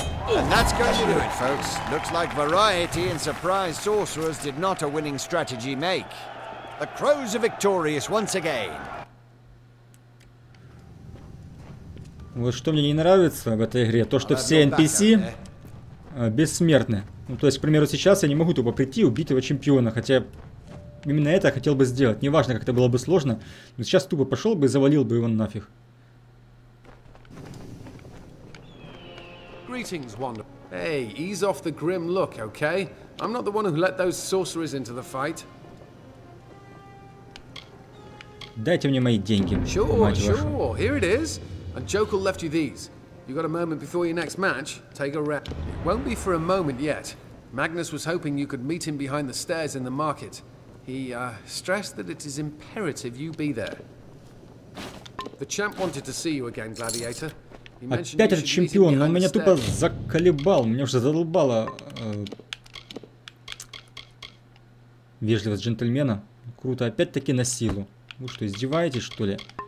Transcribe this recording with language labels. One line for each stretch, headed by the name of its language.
English: And that's going to do it, folks. Looks like variety and surprise sorcerers did not a winning strategy make. The crows are victorious once again.
Russian: Вот что мне не нравится в этой игре, то, что все NPC бессмертны. Ну, то есть, к примеру, сейчас я не могу тупо прийти и убить его чемпиона, хотя именно это я хотел бы сделать. Неважно, как это было бы сложно, но сейчас тупо пошел бы и завалил бы его нафиг.
English: Greetings, Wanda. Hey, ease off the grim look, okay? I'm not the one who let those sorcerers into the fight.
Russian: Дайте мне мои деньги, мать вашу.
English: And Jokel left you these. You got a moment before your next match? Take a rest. It won't be for a moment yet. Magnus was hoping you could meet him behind the stairs in the market. He stressed that it is imperative you be there. The champ wanted to see you again, Gladiator.
Russian: Опять этот чемпион, он меня тупо заколебал. Меня уже задолбало вежливость джентльмена. Круто, опять-таки на силу. Вы что, издеваетесь, что ли?